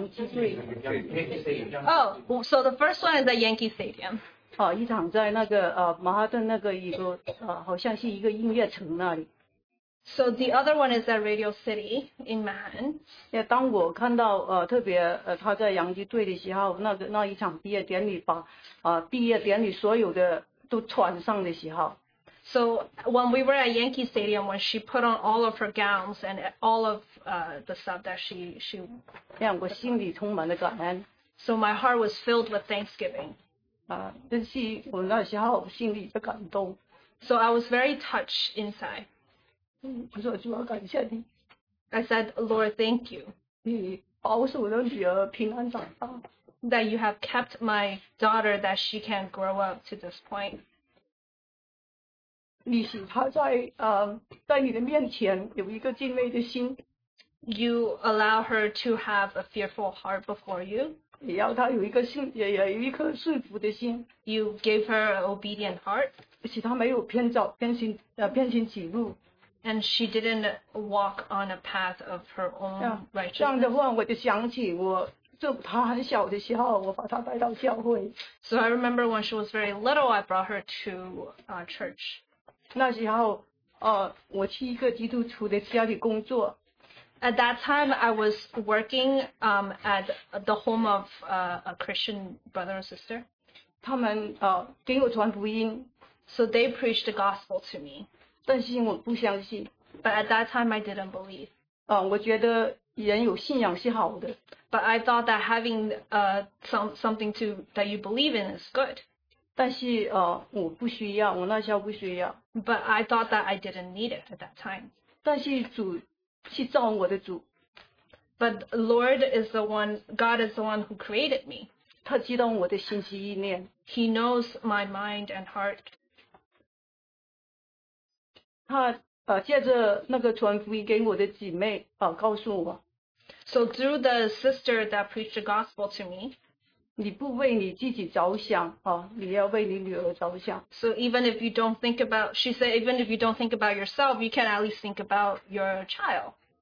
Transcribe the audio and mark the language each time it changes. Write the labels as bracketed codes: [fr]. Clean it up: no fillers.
[en] Oh, so the first one is at Yankee Stadium. [zh] 哦，一场在那个曼哈顿那个一个好像是一个音乐城那里。 [en] So the other one is at Radio City in Manhattan. [zh] Yeah, 当我看到特别他在洋基队的时候，那个那一场毕业典礼把毕业典礼所有的都穿上的时候。 [en] So when we were at Yankee Stadium, when she put on all of her gowns and all of the stuff that she [zh] yeah, 我心里充满了感恩。 [en] So my heart was filled with thanksgiving. [zh] 真是我那时候心里的感动。 [en] So I was very touched inside. [zh] 我说主啊，感谢你。 [en] I said, Lord, thank you. [zh] 你保守我的女儿平安长大。 [en] That you have kept my daughter that she can grow up to this point. [zh] 你使他在在你的面前有一个敬畏的心。 [en] You allow her to have a fearful heart before you. [zh] 也要他有一个信，也有一颗顺服的心。 [en] You gave her an obedient heart. [zh] 使他没有偏走偏行偏行己路。 [en] And she didn't walk on a path of her own righteousness. [zh] 这样的话，我就想起我。 [en] So I remember when she was very little, I brought her to church. [zh] 那时候，我去一个基督徒的家里工作。 [en] At that time, I was working at the home of a Christian brother and sister. [zh] 他们给我传福音。 [en] So they preached the gospel to me. [zh] 但是我不相信。 [en] But at that time, I didn't believe. [zh] 我觉得。人有信仰是好的。 [en] But I thought that having something to that you believe in is good. [zh] 但是我不需要，我那时候不需要。 [en] But I thought that I didn't need it at that time. [zh] 但是主是造我的主。 [en] But Lord is the one, God is the one who created me. [zh] 他知道我的心思意念。 [en] He knows my mind and heart. [zh] 他借着那个传福音给我的姐妹告诉我。 [en] So through the sister that preached the gospel to me. [zh] 你不为你自己着想你要为你女儿着想。 [en] So even if you don't think about, she said, even if you don't think about yourself, you can at least think about your child.